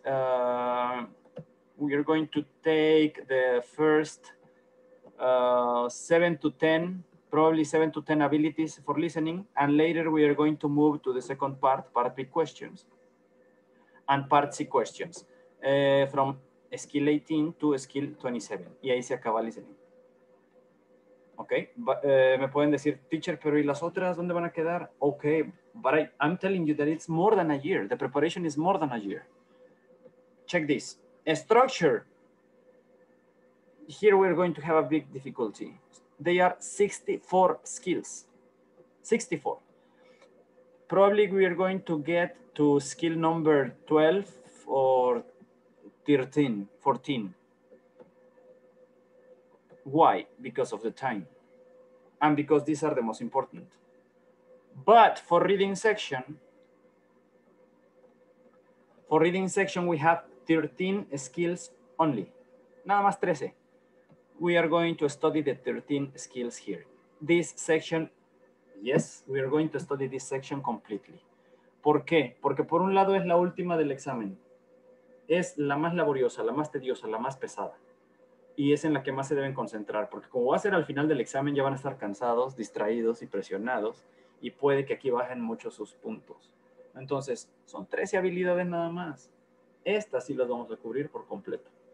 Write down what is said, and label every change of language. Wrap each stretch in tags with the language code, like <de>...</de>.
<en>We are going to take the first 7 to 10 abilities for listening. And later we are going to move to the second part, part B questions and part C questions, from skill 18 to skill 27.</en> <es>Y ahí se acaba listening. Okay, me pueden decir, teacher, pero ¿y las otras dónde van a quedar?</es> <en>Okay, but I'm telling you that it's more than a year. The preparation is more than a year. Check this. A structure. Here we're going to have a big difficulty. They are 64 skills. 64. Probably we are going to get to skill number 12 or 13, 14. Why? Because of the time. And because these are the most important. But for reading section, we have 13 skills only.</en> <es>Nada más 13.</es> <en>We are going to study the 13 skills here. This section, yes, we are going to study this section completely.</en> <es>¿Por qué? Porque por un lado es la última del examen. Es la más laboriosa, la más tediosa, la más pesada. Y es en la que más se deben concentrar, porque como va a ser al final del examen, ya van a estar cansados, distraídos y presionados, y puede que aquí bajen mucho sus puntos. Entonces, son 13 habilidades nada más. Estas sí las vamos a cubrir por completo.</es>